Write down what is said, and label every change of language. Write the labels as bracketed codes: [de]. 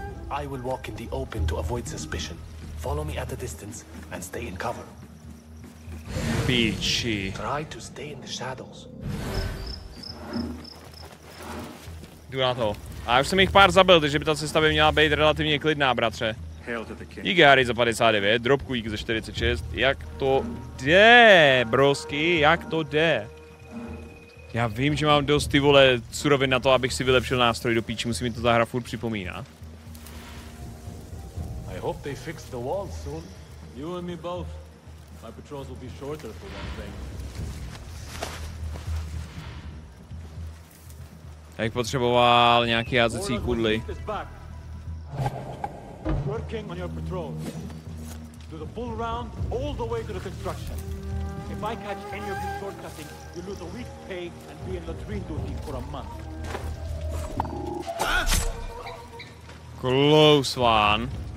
[en] I will walk in the open to avoid suspicion. Follow me at a distance and stay in cover. Peachy. Try to stay in the shadows. [cs] Jdu na to. A já už jsem jich pár zabil, takže by ta cesta by měla být relativně klidná, bratře. Díky Harry za 59, dropku jík za 46. Jak to jde, brosky, jak to jde? Já vím, že mám dost ty vole surovin na to, abych si vylepšil nástroj do píči, musí mi to ta hra furt připomínat. [en] Hope they fix the wall soon. You and me both. My patrols will be shorter for one thing. [cs] Jak potřeboval nějaký jazycí kudly. [en] Working on your patrols. Do the full round all the way to the construction. If I catch any of you shortcutting, you lose a week's pay and be in latrine duty for a month. Close one.